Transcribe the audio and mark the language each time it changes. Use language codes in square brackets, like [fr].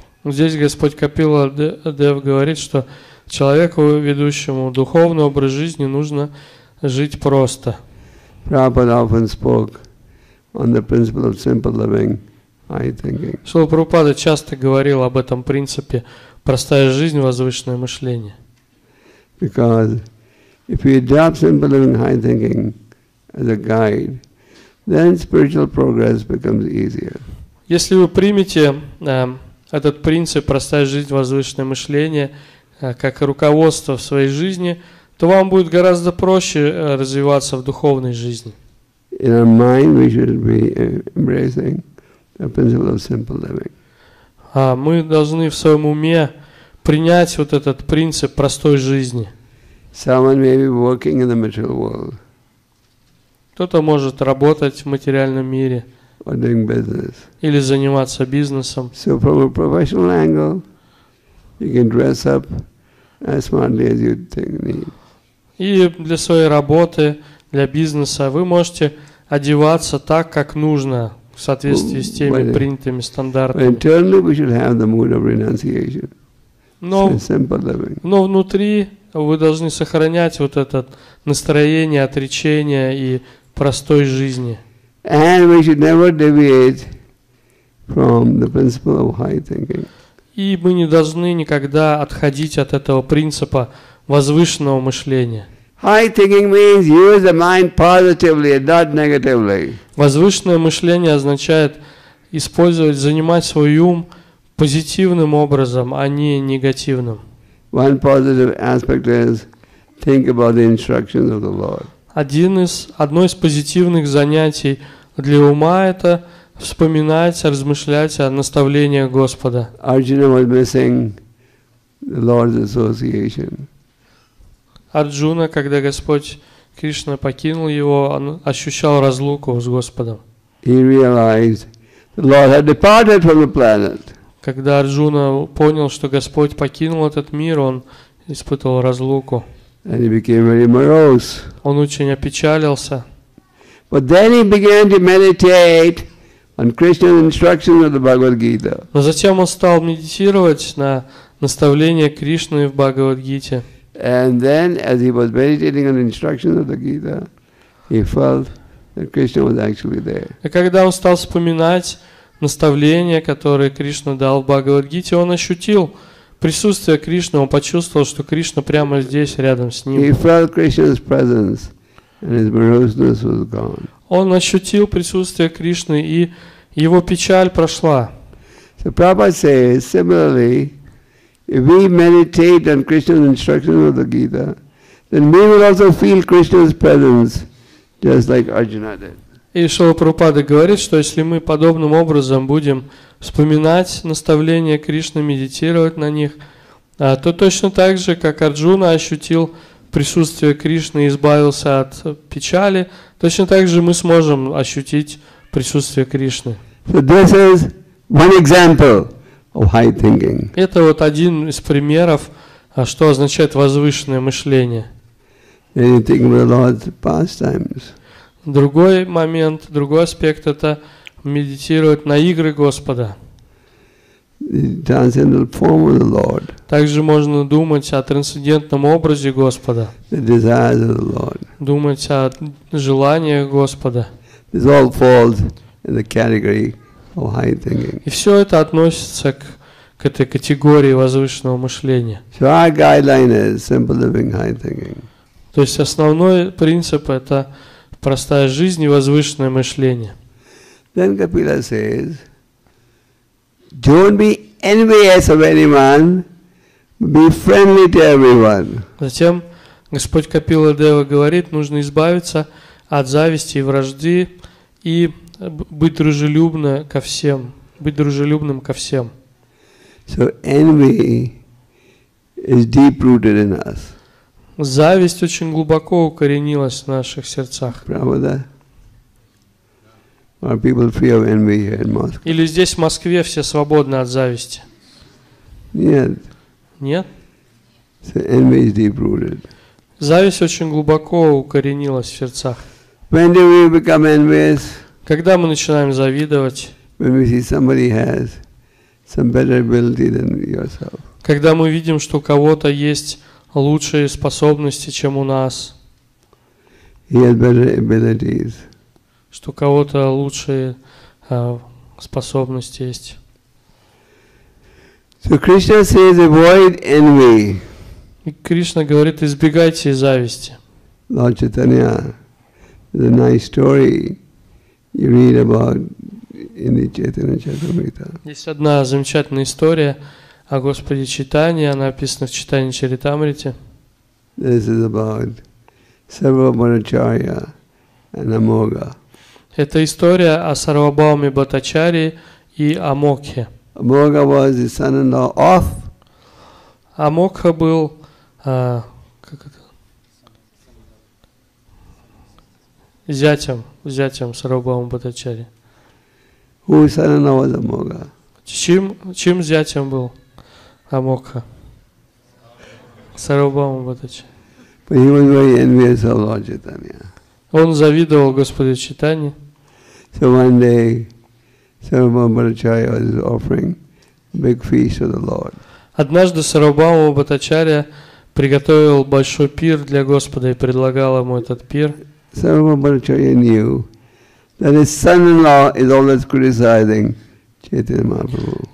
[ru] Здесь Господь Капила Дев говорит, что человеку, ведущему духовный образ жизни, нужно жить просто. [en] Prabhupada often spoke on the principle of simple living, high thinking. [ru] Шрила Прабхупада часто говорил об этом принципе простая жизнь, возвышенное мышление. [en] Because if you adopt simple living, high thinking as a guide, then spiritual progress becomes easier. [ru] Если вы примете этот принцип «простая жизнь, возвышенное мышление» как руководство в своей жизни, то вам будет гораздо проще развиваться в духовной жизни. [en] In our mind we should be embracing the principle of simple living. [ru] Мы должны в своем уме принять вот этот принцип простой жизни. [en] Someone may be working in the material world. [ru] Кто-то может работать в материальном мире. [en] Or doing business. [ru] Или заниматься бизнесом. [en] So from a professional angle, you can dress up as smartly as you think need. [ru] И для своей работы, для бизнеса вы можете одеваться так, как нужно, в соответствии с теми принятыми стандартами. [en] Internally we should have the mood of renunciation. [ru] Но внутри вы должны сохранять вот это настроение отречения и простой жизни. [en] And we should never deviate from the principle of high thinking. [ru] И мы не должны никогда отходить от этого принципа возвышенного мышления. [en] High thinking means use the mind positively, not negatively. [ru] Возвышенное мышление означает использовать, занимать свой ум позитивным образом, а не негативным. [en] One positive aspect is think about the instructions of the Lord. [ru] Одно из позитивных занятий для ума это вспоминать, размышлять о наставлениях Господа. [en] Arjuna was missing the Lord's association. [ru] Арджуна, когда Господь Кришна покинул его, он ощущал разлуку с Господом. [en] He realized the Lord had departed from the planet. [ru] Когда Арджуна понял, что Господь покинул этот мир, он испытывал разлуку. [en] And he became very morose. [ru] Он очень опечалился. [en] But then he began to meditate on Krishna's instruction of the Bhagavad Gita. [ru] Но затем он стал медитировать на наставление Кришны в Бхагавад-гите. [en] And then, as he was meditating on the instructions of the Gita, he felt that Krishna was actually there. [ru] И когда он стал вспоминать наставления, которые Кришна дал в Бхагавад-гите, он ощутил присутствие Кришны. Он почувствовал, что Кришна прямо здесь, рядом с ним. [en] He felt Krishna's presence, and his moroseness was gone. [ru] Он ощутил присутствие Кришны, и его печаль прошла. [en] So Prabhupada says similarly. If we meditate on Krishna's instruction of the Gita, then we will also feel Krishna's presence, just like Arjuna did. [ru] И Шрила Прабхупада говорит, что если мы подобным образом будем вспоминать наставления Кришны, медитировать на них, то точно так же, как Арджуна ощутил присутствие Кришны и избавился от печали, точно так же мы сможем ощутить присутствие Кришны. [en] So this is one example. Of high thinking. [ru] Это вот один из примеров, что означает возвышенное мышление. [en] Anything about the Lord's pastimes. [ru] Другой момент, другой аспект – это медитировать на игры Господа. [en] The transcendental form of the Lord. [ru] Также можно думать о трансцендентном образе Господа. [en] The desires of the Lord. [ru] Думать о желаниях Господа. [en] This all falls in the category. Of high thinking. [ru] И все это относится к этой категории возвышенного мышления. [en] So our guideline is simple living, high thinking. [ru] То есть основной принцип – это простая жизнь и возвышенное мышление. [en] Then Kapila says, don't be envious of anyone, be friendly to everyone. [ru] Затем Господь Капила Дева говорит, нужно избавиться от зависти и вражды и быть дружелюбным ко всем. Быть дружелюбным ко всем. [en] So envy is deep-rooted in us. [ru] Зависть очень глубоко укоренилась в наших сердцах. Правда? [en] Are people free of envy here in Moscow? [ru] Или здесь, в Москве, все свободны от зависти? Нет. Нет? [en] So envy is deep-rooted. [ru] Зависть очень глубоко укоренилась в сердцах. [en] When do we become envious? [ru] Когда мы начинаем завидовать, когда мы видим, что у кого-то есть лучшие способности, чем у нас, что у кого-то лучшие способности есть. [en] So Krishna says, avoid envy. [ru] И Кришна говорит, избегайте зависти. [en] Lord Chaitanya, the nice story. You read about [ru] Есть одна замечательная история о Господе Чайтанье, она описана в Чайтанье Чаритамрите. [en] This is about Сарвабхаумачарья and Амога. [ru] Это история о Сарвабхауме Бхаттачарье и Амоге. [en] Амога was the son-in-law of. [ru] Амога был зятем Сарвабхаумы Бхаттачарьи. [en] Who is son-in-law of Амога? [ru] Чьим зятем был Амога? Сарвабхаумы Бхаттачарьи. [en] But he was very envious of Lord Chaitanya. [ru] Он завидовал Господу Чайтанье. [en] So one day, Сарвабхаума Бхаттачарья was offering a big feast to the Lord. [ru] Однажды Сарвабхаума Бхаттачарья приготовил большой пир для Господа и предлагал ему этот пир. [en] Сарвабхаума Бхаттачарья knew that his son-in-law is always criticizing Chaitanya Mahaprabhu.